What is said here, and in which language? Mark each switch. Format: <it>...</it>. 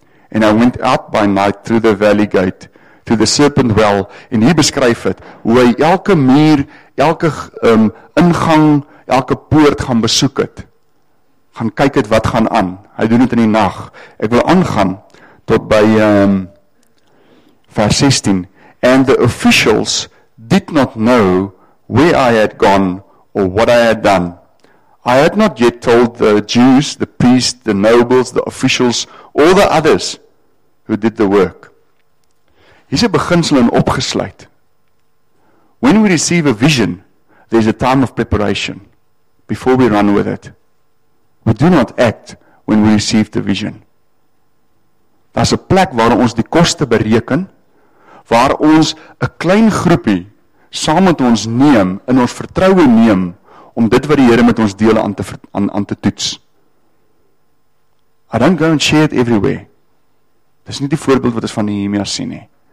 <en>And I went out by night through the valley gate, to the serpent well,</en> <af>en hier beskryf het, hoe hy elke muur, elke ingang, elke poort gaan besoek het, gaan kyk het wat gaan aan, hy doen het in die nacht, ek wil aangaan, tot by vers 16,</af> <en>and the officials did not know where I had gone, or what I had done. I had not yet told the Jews, the priests, the nobles, the officials, or the others who did the work.</en> <af>Hier is 'n beginsel in opgesluit.</af> <en>When we receive a vision, there is a time of preparation before we run with it. We do not act when we receive the vision.</en> <af>Daar is 'n plek waar ons die koste bereken, waar ons 'n klein groepie saam met ons neem, in ons vertroue neem, om dit wat die Here met ons deel aan te toets.</af> <en>I don't go and share it everywhere.</en> <af>Dis nie die voorbeeld wat ons van Nehemia sien nie.</af>